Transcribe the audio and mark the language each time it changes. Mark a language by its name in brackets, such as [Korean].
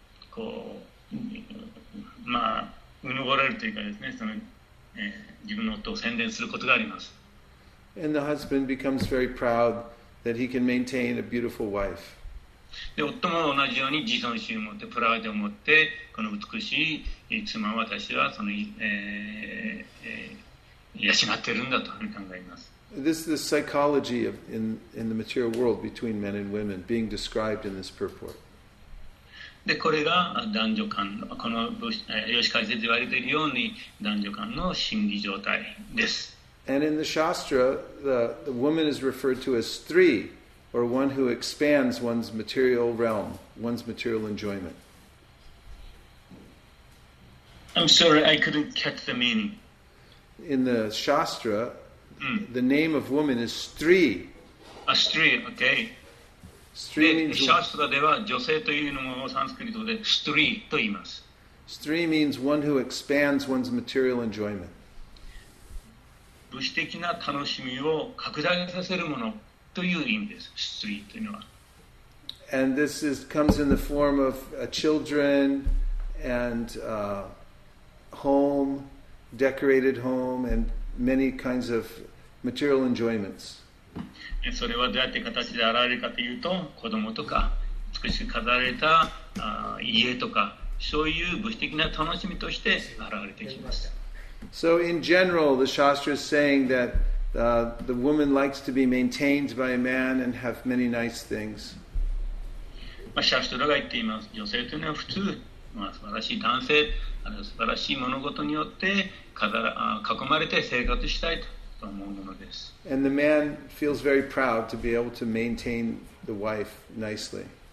[Japanese] こう、まあ、うぬぼれるというかですね、その、自分の夫を宣伝することがあります。 [English] And the husband becomes very proud that he can maintain a beautiful wife. [Japanese] で、夫も同じように自尊心を持って、プライドを持って、この美しい妻を私はその、養っているんだというふうに考えます。 [English] This is the psychology of in the material world between men and women being described in this purport. [Japanese] で、これが男女間の、この吉川先生で言われているように男女間の心理状態です。 [English] And in the Shastra, the woman is referred to as stri, or one who expands one's material realm, one's material enjoyment. I'm sorry, I couldn't catch the meaning. In the Shastra, the name of woman is stri. A stri, okay. Stri means [Japanese] Shastra では女性というのをサンスクリットでストリーと言います。 [English] Stri means one who expands one's material enjoyment. [Japanese] 物質的な楽しみを拡大させるものという意味です。ストリーというのは。 [English] And this is, comes in the form of children and home, decorated home, and many kinds of material enjoyments. [Japanese] それはどうやって形で現れるかというと、子供とか美しく飾られた家とか、そういう物質的な楽しみとして現れてきます。 [English] So in general, the Shastra is saying that the woman likes to be maintained by a man and have many nice things. [Japanese] Shastra が言っています。女性というのは普通、まあ、素晴らしい男性、あるいは素晴らしい物事によって囲まれて生活したいと思うものです。 [English] And the man feels very proud to be able to maintain the wife nicely.